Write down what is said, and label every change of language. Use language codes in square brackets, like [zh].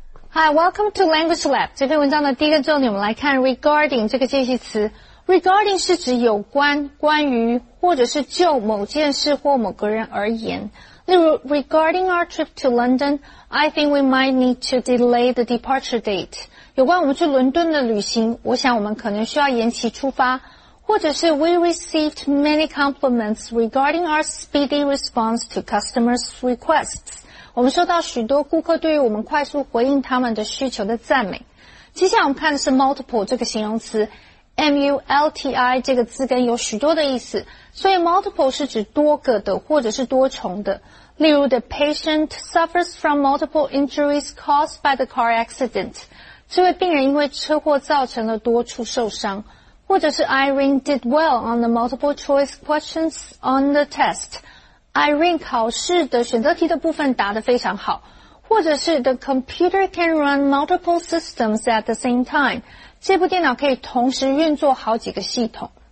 [en] Hi, welcome to Language Lab. [zh] 这篇文章的第一个重点，我们来看 regarding 这个介系词。 Regarding 是指有关、关于或者是就某件事或某个人而言。例如 [en] ,regarding our trip to London, I think we might need to delay the departure date. [zh] 有关我们去伦敦的旅行，我想我们可能需要延期出发。或者是 [en] we received many compliments regarding our speedy response to customers' requests. [zh] 我们收到许多顾客对于我们快速回应他们的需求的赞美。接下来我们看的是 multiple 这个形容词。M-U-L-T-I 这个字根有许多的意思，所以 multiple 是指多个的或者是多重的。例如 [en] ,the patient suffers from multiple injuries caused by the car accident. [zh] 这位病人因为车祸造成了多处受伤。或者是 [en] Irene did well on the multiple choice questions on the test. [zh] Irene 考试的选择题的部分答得非常好。或者是 [en] the computer can run multiple systems at the same time. [zh] 这部电脑可以同时运作好几个系统。